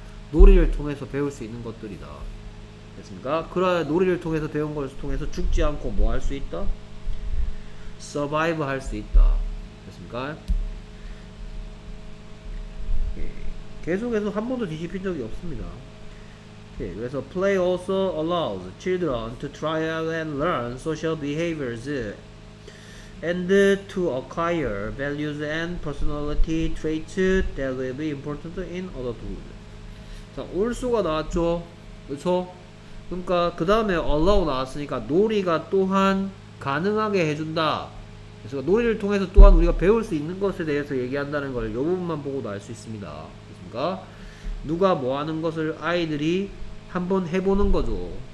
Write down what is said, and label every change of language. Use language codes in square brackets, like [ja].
[ko] 놀이를 통해서 배울 수 있는 것들이다. 됐습니까? 그러한 놀이를 통해서 배운 것을 통해서 죽지 않고 뭐 할 수 있다? survive 할 수 있다. 됐습니까? 계속해서 한 번도 뒤집힌 적이 없습니다. [en] 그래서 play also allows children to try and learn social behaviors and to acquire values and personality traits that will be important in adulthood. [ko] 자, 올수가 나왔죠. 그쵸? 그러니까 그 다음에 allow 나왔으니까 놀이가 또한 가능하게 해준다. 그래서 놀이를 통해서 또한 우리가 배울 수 있는 것에 대해서 얘기한다는 걸 요 부분만 보고도 알 수 있습니다. 그러니까 누가 뭐 하는 것을 아이들이 한번 해보는 거죠.